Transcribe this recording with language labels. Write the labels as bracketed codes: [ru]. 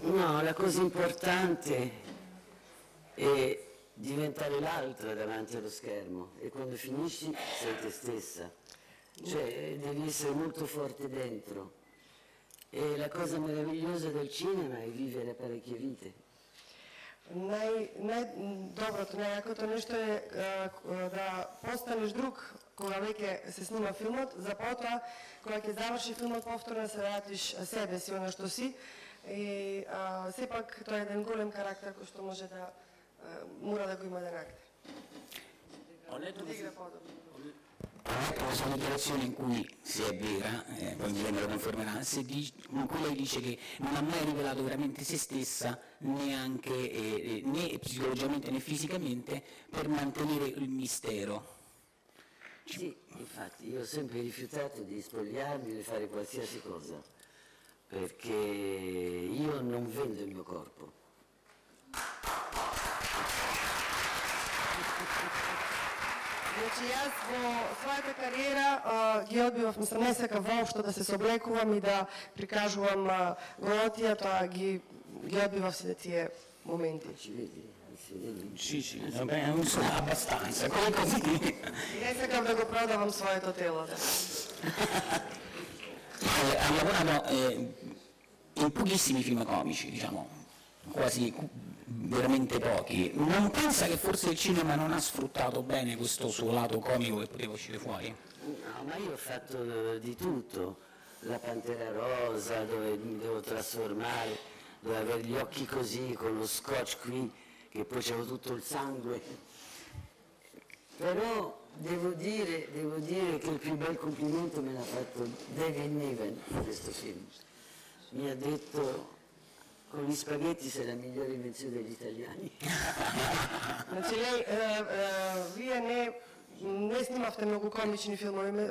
[it] No, la cosa importante è diventare l'altra davanti allo schermo e quando finisci sei te stessa. Cioè devi essere molto forte dentro. E la cosa meravigliosa del cinema è vivere parecchie vite. [mk] Најдоброто, најакото нешто е да постанеш друг кога веќе се снима филмот, за потоа кога ќе заврши филмот повторно се вратиш себе си, оно што си. И сепак тоа е еден голем карактер кој што може да мора да го има еден актер. [it] Ha fatto una dichiarazione in cui, se è vera, poi mi vengono a confermare, in cui lei dice che non ha mai rivelato veramente se stessa, neanche né psicologicamente né fisicamente, per mantenere il mistero. Sì, infatti, io ho sempre rifiutato di spogliarmi, di fare qualsiasi cosa, perché io non vendo il mio corpo. [mk] Значи, јас во својата кариера ги одбивав, мислам, не сакав воопшто да се соблекувам и да прикажувам голотија, тоа ги одбивав се тие моменти. Не сакав да го продавам своето тело. [it] Лаборамо in pochissimi film comici, diciamo, quasi veramente pochi. Non pensa che forse il cinema non ha sfruttato bene questo suo lato comico che poteva uscire fuori? No, ma io ho fatto di tutto. La Pantera Rosa, dove mi devo trasformare, dove avere gli occhi così, con lo scotch qui, che poi c'avevo tutto il sangue. Però devo dire che il più bel complimento me l'ha fatto David Niven in questo film. Mi ha detto: con gli spaghetti sei la migliore invenzione degli italiani. [mk] Значи, лей, вие не снимавте многу комични филмови.